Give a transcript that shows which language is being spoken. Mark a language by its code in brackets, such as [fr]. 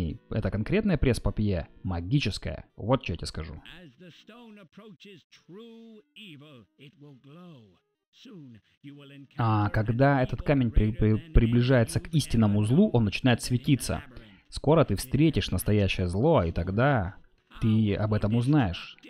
[ru] Эта конкретная пресс-папье магическая. Вот что я тебе скажу. [en] As the stone approaches true evil, it will glow. Soon you will encounter... [ru] А когда этот камень приближается к истинному злу, он начинает светиться. Скоро ты встретишь настоящее зло, и тогда ты об этом узнаешь.